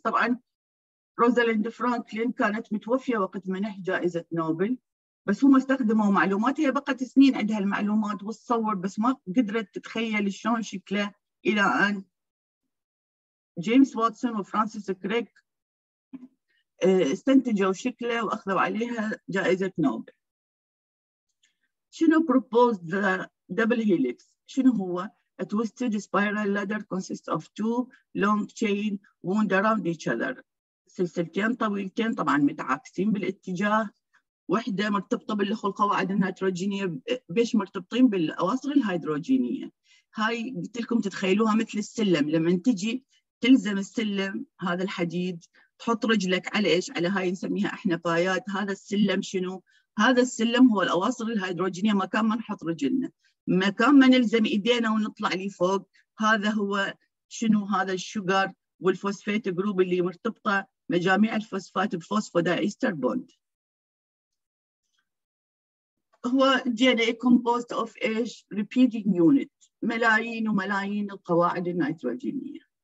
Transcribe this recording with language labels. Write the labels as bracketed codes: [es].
[ar] طبعا روزاليند فرانكلين كانت متوفيه وقت منح جائزه نوبل، بس هم استخدموا معلومات، هي بقت سنين عندها المعلومات وتصور بس ما قدرت تتخيل شلون شكله. الى ان جيمس واتسون وفرانسيس كريك استنتجوا شكله واخذوا عليها جائزه نوبل. شنو [en] proposed the double helix؟ [ar] شنو هو؟ [en] A twisted spiral ladder consists of two long chain wound around each other. [ar] سلسلتين طويلتين طبعا متعاكسين بالاتجاه، واحدة مرتبطة بالأخو القواعد النيتروجينية. بيش مرتبطين بالأواصر الهيدروجينية؟ هاي قلت لكم تتخيلوها مثل السلم، لما تجي تلزم السلم هذا الحديد تحط رجلك على إيش؟ على هاي نسميها إحنا بايات. هذا السلم شنو؟ هذا السلم هو الأواصر الهيدروجينية، مكان ما نحط رجلنا، مكان ما نلزم إيدينا ونطلع لي فوق. هذا هو شنو؟ هذا الشوغر والفوسفات جروب اللي مرتبطة مجاميع الفوسفات بفوسفودايستر بوند. هو [en] DNA composed of each repeating unit، [ar] ملايين وملايين القواعد النيتروجينية.